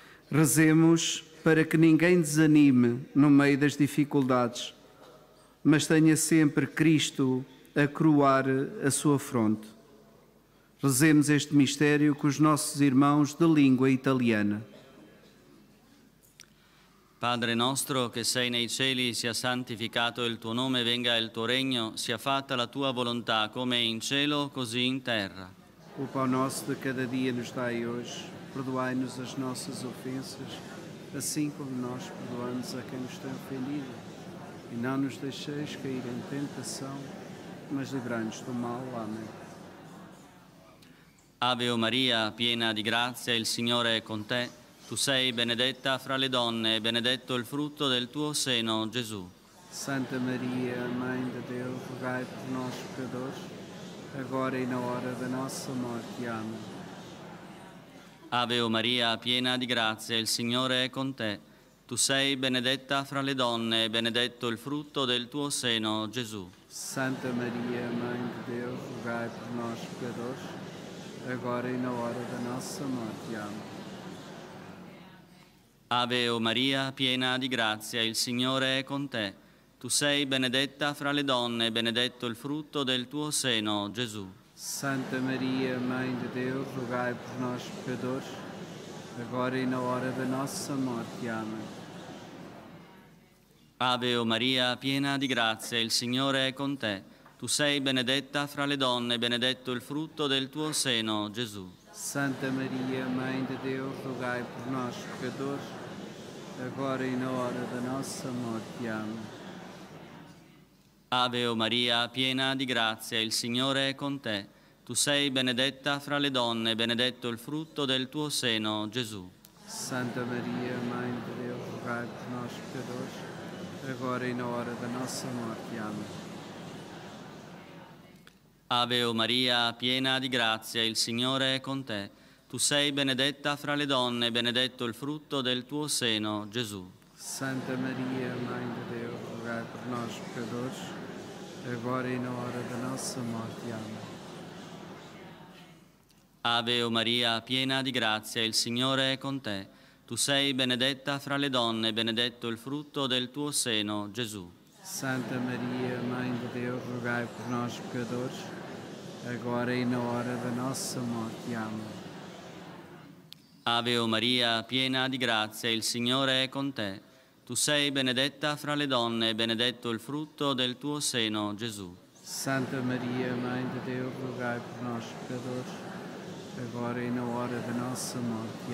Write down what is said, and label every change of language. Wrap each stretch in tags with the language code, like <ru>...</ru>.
<pt>Rezemos para que ninguém desanime no meio das dificuldades, mas tenha sempre Cristo a coroar a sua fronte. Rezemos este mistério com os nossos irmãos de língua italiana.</pt> <it>Padre nostro che sei nei cieli, sia santificato il tuo nome, venga il tuo regno, sia fatta la tua volontà, come in cielo, così in terra.</it> <pt>O pão nosso de cada dia nos dai hoje. Perdoai-nos as nossas ofensas, assim como nós perdoamos a quem nos tem ofendido. E não nos deixeis cair em tentação, mas livrai-nos do mal. Amém.</pt> <it>Ave Maria, piena di grazia, il Signore è con te. Tu sei benedetta fra le donne, e benedetto il frutto del tuo seno, Gesù.</it> <pt>Santa Maria, Mãe de Deus, rogai por nós, pecadores, agora e na hora da nossa morte. Amém.</pt> <it>Ave o Maria, piena di grazia, il Signore è con te. Tu sei benedetta fra le donne e benedetto il frutto del tuo seno, Gesù.</it> <pt>Santa Maria, Mãe</pt> <it>di Dio,</it> <pt>rogai</pt> <it>per noi peccatori,</it> <pt>agora e na hora da nossa morte. Amen.</pt> <it>Ave o Maria, piena di grazia, il Signore è con te. Tu sei benedetta fra le donne e benedetto il frutto del tuo seno, Gesù.</it> <pt>Santa Maria, Mãe de Deus, rogai por nós, pecadores, agora e na hora da nossa morte. Amém.</pt> <it>Ave o Maria, piena di grazia, il Signore è con te. Tu sei benedetta fra le donne, benedetto il frutto del tuo seno, Gesù.</it> <pt>Santa Maria, Mãe de Deus, rogai por nós, pecadores, agora e na hora da nossa morte. Amém.</pt> <it>Ave o Maria, piena di grazia, il Signore è con te. Tu sei benedetta fra le donne, benedetto il frutto del tuo seno, Gesù. Santa Maria,</it> <pt>Mãe</pt> <it>di Dio,</it> <pt>rogai</pt> <it>per noi peccatori,</it> <pt>agora</pt> <it>e in ora della nostra morte. Amen. Ave o Maria, piena di grazia, il Signore è con te. Tu sei benedetta fra le donne, benedetto il frutto del tuo seno, Gesù.</it> <pt>Santa Maria, Mãe de Deus, rogai por nós, pecadores, agora e na hora da nossa morte. Amém.</pt> <it>Ave o Maria, piena di grazia, il Signore è con te. Tu sei benedetta fra le donne, benedetto il frutto del tuo seno, Gesù.</it> <pt>Santa Maria, Mãe de Deus, rogai por nós, pecadores, agora e na hora da nossa morte. Amém.</pt> <it>Ave o Maria, piena di grazia, il Signore è con te. Tu sei benedetta fra le donne, benedetto il frutto del tuo seno, Gesù. Santa Maria,</it> <pt>Mãe de Deus, rogai</pt> <it>per noi peccatori,</it> <pt>agora e</pt> <it>nell'ora della nostra morte.</it>